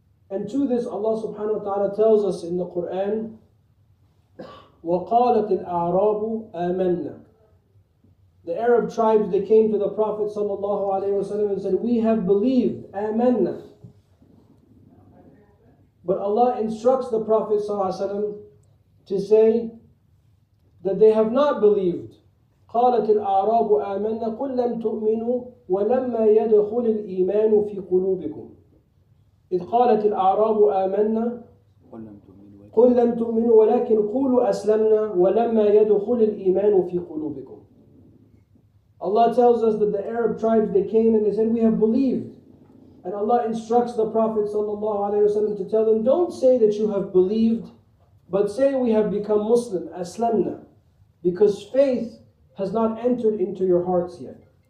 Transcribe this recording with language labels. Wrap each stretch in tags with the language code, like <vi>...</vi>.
<en>And to this, Allah subhanahu wa ta'ala tells us in the Quran,</en> <ar>وقالت الأعراب آمنا.</ar> <en>The Arab tribes, they came to the Prophet sallallahu alaihi wasallam and said, we have believed, amanna. But Allah instructs the Prophet sallallahu alaihi wasallam to say that they have not believed.</en> <ar>قالت الأعراب آمنا قل لم تؤمنوا ولما يدخل الإيمان في قلوبكم. إذ قالت الأعراب آمنا قل لم تؤمنوا ولكن قولوا أسلمنا ولما يدخل الإيمان في قلوبكم.</ar> <en>Allah tells us that the Arab tribes, they came and they said, we have believed. And Allah instructs the Prophet ﷺ to tell them, don't say that you have believed, but say we have become Muslim, aslamna, because faith has not entered into your hearts yet.</en>